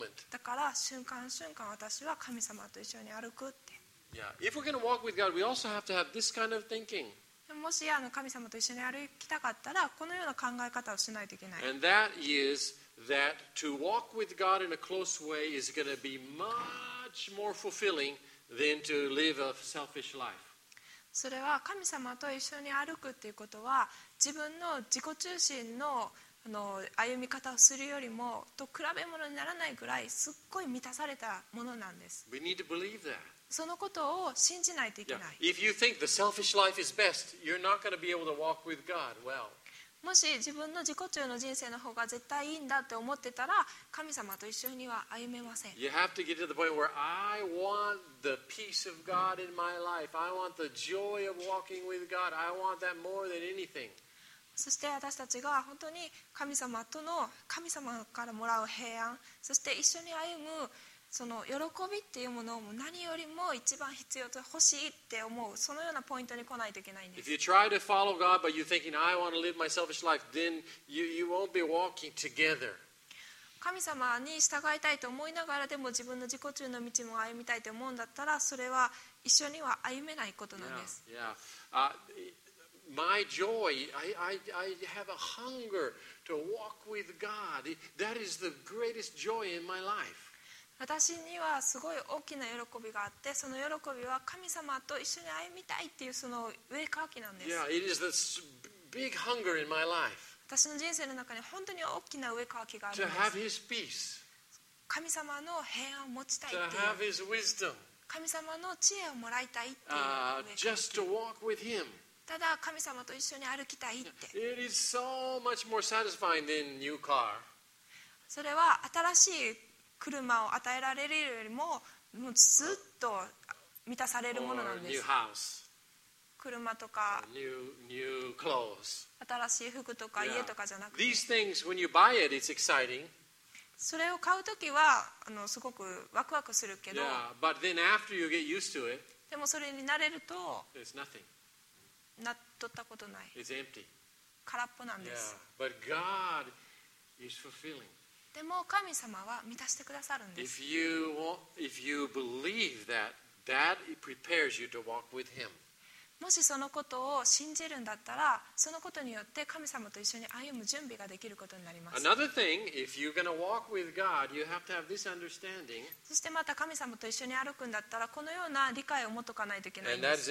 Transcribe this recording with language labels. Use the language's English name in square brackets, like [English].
[Japanese] だから瞬間瞬間私は神様と一緒に歩くって。 [English] Yeah. If we're going to walk with God, we also have to have this kind of thinking. [Japanese] もし神様と一緒に歩きたかったらこのような考え方をしないといけない。 [English] And that is that to walk with God in a close way is going to be much more fulfilling than to live a selfish life. [Japanese] それは神様と一緒に歩くっていうことは自分の自己中心 の歩み方をするよりもと比べ物にならないぐらいすっごい満たされたものなんです。 [English] We need to believe that. [Japanese] そのことを信じないといけない。 [English] If you think the selfish life is best, you're not going to be able to walk with God well. [Japanese] もし自分の自己中の人生の方が絶対いいんだって思ってたら神様と一緒には歩めません。 [English] You have to get to the point where I want the peace of God in my life. I want the joy of walking with God. I want that more than anything. [Japanese] そして私たちが本当に神様との神様からもらう平安、そして一緒に歩むその喜びっていうものを何よりも一番必要と欲しいって思う、そのようなポイントに来ないといけないんです。 [English] If you try to follow God but you're thinking I want to live my selfish life, then you won't be walking together. [Japanese] 神様に従いたいと思いながらでも自分の自己中の道も歩みたいと思うんだったらそれは一緒には歩めないことなんです。 [English] yeah, yeah. My joy, I have a hunger to walk with God. That is the greatest joy in my life. [Japanese] 私にはすごい大きな喜びがあってその喜びは神様と一緒に歩みたいっていうその上渇きなんです。 [English] yeah, it is this big hunger in my life. [Japanese] 私の人生の中に本当に大きな上渇きがあるんです。 [English] To have his peace. [Japanese] 神様の平安を持ちたいっていう。 [English] To have his wisdom. [Japanese] 神様の知恵をもらいたいっていう上渇き。 [English] Just to walk with him. [Japanese] ただ神様と一緒に歩きたいって。 [English] It is so much more satisfying than new car. [Japanese] それは新しい車を与えられるよりも、もうずっと満たされるものなんです。 [English] Or new house. [Japanese] 車とか [English] new clothes. [Japanese] 新しい服とか家とかじゃなくて。 [English] These things, when you buy it, it's exciting. [Japanese] それを買うときはすごくワクワクするけど。 [English] Yeah, but then after you get used to it, [Japanese] でもそれに慣れると。 [English] It's nothing. [Japanese] なっとったことない。 [English] It's empty. [Japanese] 空っぽなんです。 [English] Yeah, but God is fulfilling. [Japanese] でも神様は満たしてくださるんです。 [English] If you believe that, that prepares you to walk with Him. [Japanese] もしそのことを信じるんだったら、そのことによって神様と一緒に歩む準備ができることになります。 [English] Another thing, if you're going to walk with God, you have to have this understanding. [Japanese] そしてまた神様と一緒に歩くんだったら、このような理解を持っとかないといけないんです。